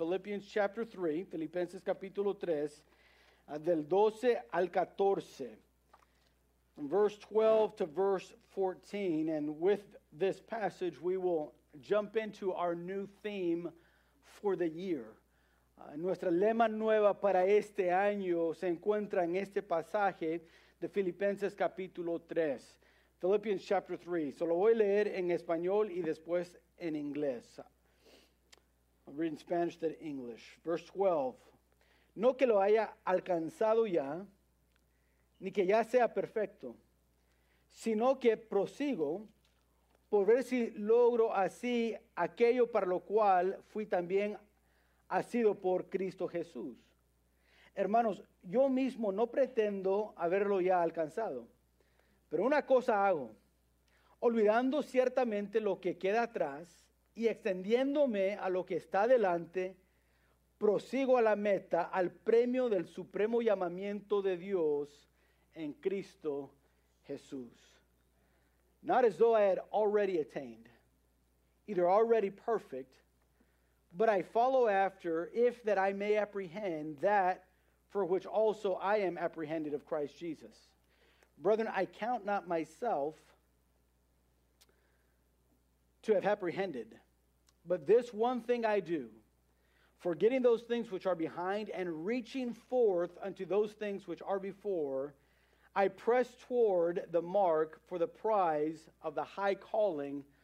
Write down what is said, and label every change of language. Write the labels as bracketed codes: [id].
[en] Philippians chapter 3, [es] Filipenses capítulo 3, del 12 al 14. [en] From verse 12 to verse 14. And with this passage, we will jump into our new theme for the year. [es] Nuestra lema nueva para este año se encuentra en este pasaje de Filipenses capítulo 3. [en] Philippians chapter 3. So [es] lo voy a leer en español y después en inglés. [en] I'll read in Spanish, then English. Verse 12. [es] No que lo haya alcanzado ya, ni que ya sea perfecto, sino que prosigo por ver si logro así aquello para lo cual fui también asido por Cristo Jesús. Hermanos, yo mismo no pretendo haberlo ya alcanzado. Pero una cosa hago, olvidando ciertamente lo que queda atrás y extendiéndome a lo que está delante, prosigo a la meta, al premio del supremo llamamiento de Dios en Cristo Jesús. [en] Not as though I had already attained, either already perfect, but I follow after, if that I may apprehend that for which also I am apprehended of Christ Jesus. Brethren, I count not myself to have apprehended, but this one thing I do, forgetting those things which are behind and reaching forth unto those things which are before, I press toward the mark for the prize of the high calling